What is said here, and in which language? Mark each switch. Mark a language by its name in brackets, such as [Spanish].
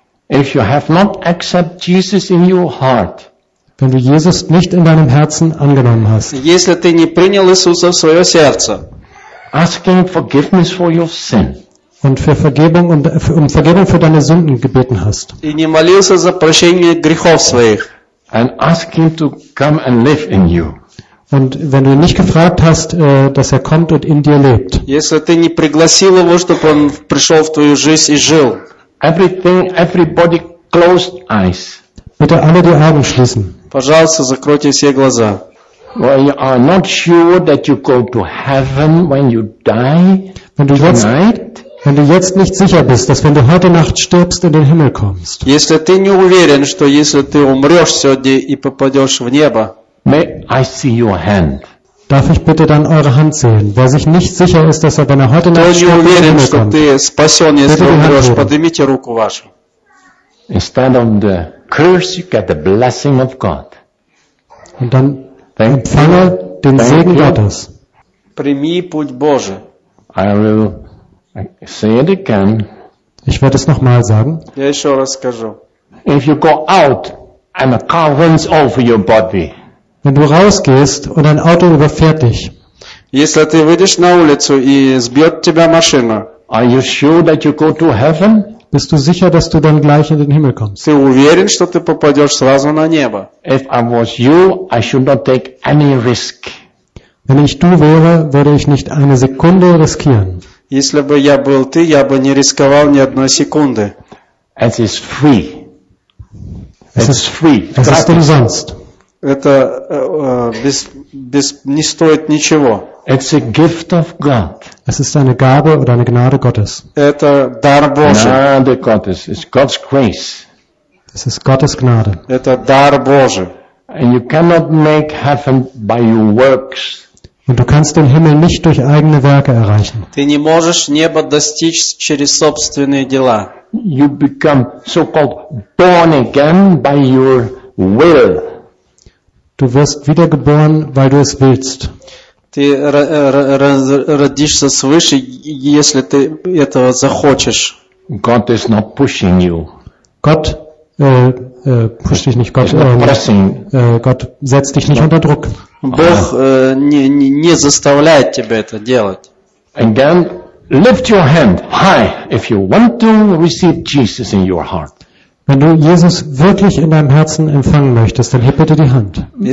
[English] If you have not accept Jesus in your heart, [German] wenn du Jesus nicht in deinem Herzen angenommen hast, [Russian] если ты не принял Иисуса в своё сердце, [English] asking forgiveness for your sin. [German] Und für Vergebung und um Vergebung für deine Sünden gebeten hast. [Russian] И не молился за прощение грехов своих. [English] And ask him to come and live in you. [German] Und wenn du ihn nicht gefragt hast, dass er kommt und in dir lebt. [Russian] Если ты не пригласил его, чтобы он пришёл в твою жизнь и жил. [English] Everything, everybody closed eyes. [German] Bitte alle die Augen schließen. [Russian] Пожалуйста, закройте все глаза. [English] Well, you are not sure that you go to heaven when you die. [German] Wenn du jetzt nicht sicher bist, dass wenn du heute Nacht stirbst, in den Himmel kommst. [Russian] Если ты не уверен, что если ты умрёшь сегодня и попадёшь в небо. [English] May I see your hand? [German] Darf ich bitte dann eure Hand sehen? Wer sich nicht sicher ist, dass wenn er heute Nacht stirbt, [Russian] уверен, [German] in den Himmel kommt. [Russian] Ты спасён, если умрёшь, поднимите руку вашу. [English] Instead of the curse, you get the blessing of God. [German] Und dann empfange den Segen Gottes. [Russian] Прими путь Божий. [English] I will say it again. [German] Ich werde es nochmal sagen. [Russian] Я ещё раз скажу. [English] If you go out and a car runs over your body. [German] Wenn du rausgehst und ein Auto überfährt dich. [Russian] Если ты выйдешь на улицу и сбьёт тебя машина. [English] Are you sure that you go to heaven? [German] Bist du sicher, dass du dann gleich in den Himmel kommst? [Russian] Ты уверен, что ты попадёшь сразу на небо? [English] If I was you, I should not take any risk. [German] Wenn ich du wäre, würde ich nicht eine Sekunde riskieren. [Russian] Если бы я был ты, я бы не рисковал ни одной секунды. [English] It is free. It's free. [German] Es ist umsonst. [Russian] Это не стоит ничего. [English] It's a gift of God. [German] Es ist eine Gabe oder eine Gnade Gottes. [Russian] Это дар Божий. [German] Gnade Gottes. [English] It's God's grace. [German] Es ist Gottes Gnade. [Russian] Это дар Божий. [English] And you cannot make heaven by your works. [German] Und du kannst den Himmel nicht durch eigene Werke erreichen. [Russian] Ты не можешь небо достичь через собственные дела. [English] You become so-called born again by your will. [German] Du wirst wiedergeboren, weil du es willst. [Russian] Ты родишься свыше, если ты этого захочешь. [English] God is not pushing you. [German] Gott pusht dich nicht. Gott, Gott setzt dich nicht unter Druck. [Russian] Бог не заставляет тебя это делать. [English] And then lift your hand high if you want to receive Jesus in your heart. [German] Wenn du Jesus wirklich in deinem Herzen empfangen möchtest, dann heb bitte die Hand.